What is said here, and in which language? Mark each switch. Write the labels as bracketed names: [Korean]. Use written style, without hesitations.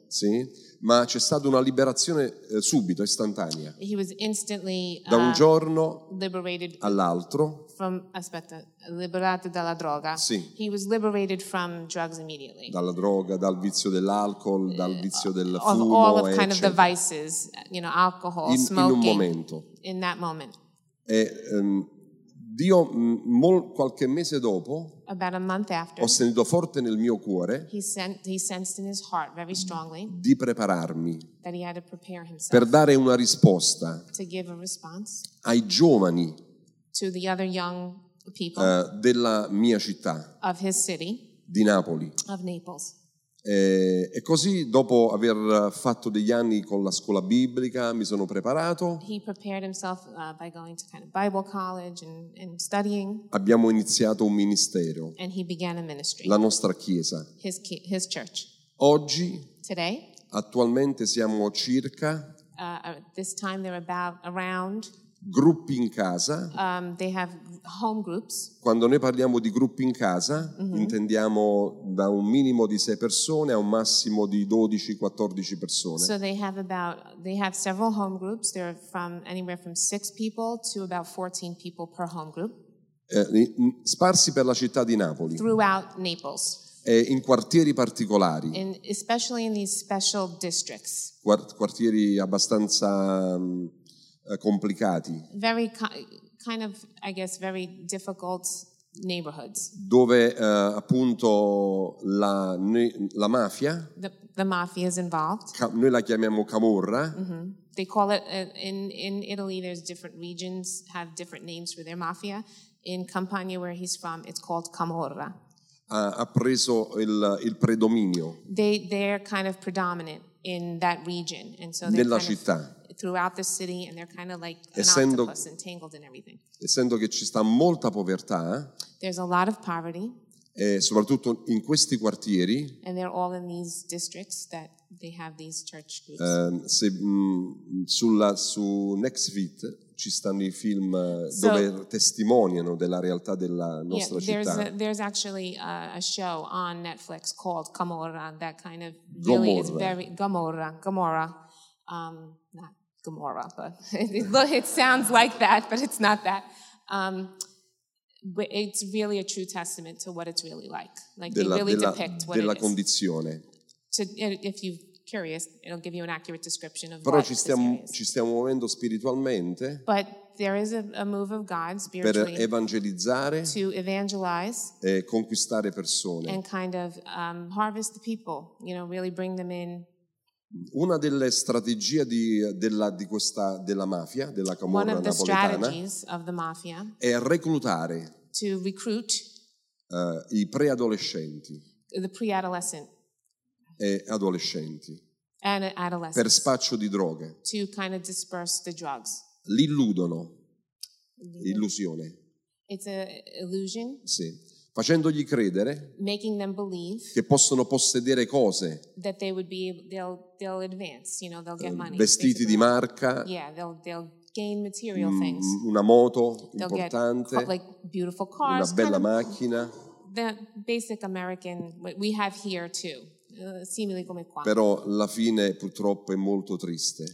[Italian] Sì, ma c'è stata una liberazione subito, istantanea. [English] He was instantly [Italian] da un giorno [English] liberated [Italian] all'altro. From, aspetta, liberato dalla droga. Sì. [English] He was liberated from drugs immediately. [Italian] Dalla droga, dal vizio dell'alcohol, dal vizio del fumo, [English] of all of kind eccetera. Of the vices, you know, alcohol, in, smoking. [Italian] In un momento. [English] In that moment. [Italian] E, Dio, qualche mese dopo, [English] about a month after, [Italian] ho sentito forte nel mio cuore [English] he sensed in his heart very strongly [Italian] di prepararmi [English] that he had to prepare himself [Italian] per dare una risposta [English] to give a response [Italian] ai giovani [English] to the other young people [Italian] della mia città [English] of his city, [Italian] di Napoli. [English] Of Naples. [Italian] E così, dopo aver fatto degli anni con la scuola biblica, mi sono preparato. [English] He prepared himself by going to kind of Bible college and studying. [Italian] Abbiamo iniziato un ministero. [English] And he began a ministry. [Italian] La nostra chiesa. [English] His church. [Italian] Oggi. [English] Today. [Italian] Attualmente siamo circa. [English] This time they're about around. [Italian] Gruppi in casa. [English] They have home groups. [Italian] Quando noi parliamo di gruppi in casa, mm-hmm. intendiamo da un minimo di 6 persone a un massimo di 12-14 persone. [English] So they have several home groups. They're from anywhere from 6 people to about 14 people per home group. [Italian] Sparsi per la città di Napoli. [English] Throughout Naples. [Italian] In quartieri particolari. [English] In, especially in these special districts. [Italian] Quartieri abbastanza complicati. [English] Very kind of, I guess, very difficult neighborhoods. [Italian] Dove appunto la mafia. [English] The mafia is involved. [Italian] Noi la chiamiamo camorra. [English] Mm-hmm. They call it in Italy. There's different regions have different names for their mafia. In Campania, where he's from, it's called camorra. [Italian] Ha preso il predominio. [English] They're kind of predominant in that region, and so [Italian] nella [English] kind [Italian] città. [English] Of, throughout the city, and they're kind of like an essendo, octopus entangled in everything. [Italian] Essendo che ci sta molta povertà, [English] there's a lot of poverty, [Italian] e soprattutto in questi quartieri, [English] and they're all in these districts that they have these church groups. [Italian] Se, su Nextfit ci stanno i film dove testimoniano della realtà della nostra [English] yeah, there's [Italian] città. [English] There's actually a show on Netflix called Camorra that kind of really Gomorra. Is very... Gomorra. Not Gomorra, but it sounds like that, but it's not that. But it's really a true testament to what it's really like. Like [Italian] della, [English] they really [Italian] della, [English] depict what [Italian] della [English] it [Italian] condizione. [English] Is. To, if you're curious, it'll give you an accurate description of [Italian] però [English] what [Italian] ci stiamo, ci stiamo muovendo spiritualmente. [English] But there is a move of God spiritually [Italian] per evangelizzare [English] to evangelize [Italian] e conquistare persone. [English] And kind of harvest the people, you know, really bring them in. [Italian] Una delle strategie della mafia, della camorra napoletana, [English] one of the strategies of the mafia [Italian] è reclutare [English] to recruit [Italian] i preadolescenti, [English] the pre-adolescent [Italian] e adolescenti, [English] and adolescents [Italian] per spaccio di droghe, [English] to kind of disperse the drugs. [Italian] Li illudono, illusione. [English] It's an illusion. [Italian] Sì. Facendogli credere [English] making them believe [Italian] che possono possedere cose, [English] that they would be able, they'll advance, you know, they'll get money, [Italian] vestiti basically. Di marca, [English] yeah, they'll gain material things, [Italian] una moto importante, [English] get, like, beautiful cars, [Italian] una bella macchina, [English] the basic American we have here too, [Italian] simili come qua. Però la fine purtroppo è molto triste.